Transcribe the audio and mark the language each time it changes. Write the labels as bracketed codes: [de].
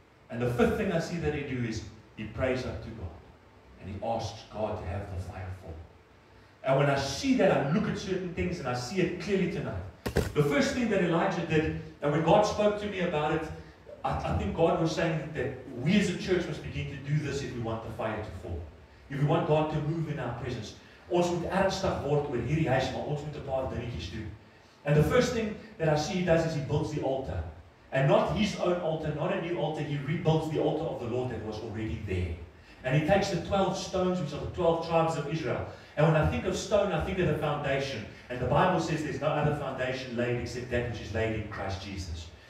[en] And the fifth thing I see that he do is he prays up to God. And he asks God to have the fire fall. And when I see that, I look at certain things and I see it clearly tonight. The first thing that Elijah did, and when God spoke to me about it, I think God was saying that we as a church must begin to do this if we want the fire to fall. If we want God to move in our presence. [af] Ons moet ernstig word oor hierdie huis, maar ons moet 'n paar dingetjies doen. [en] And the first thing that I see he does is he builds the altar. And not his own altar, not a new altar, he rebuilds the altar of the Lord that was already there. And he takes the 12 stones, which are the 12 tribes of Israel. And when I think of stone, I think of the foundation. And the Bible says there's no other foundation laid except that which is laid in Christ Jesus.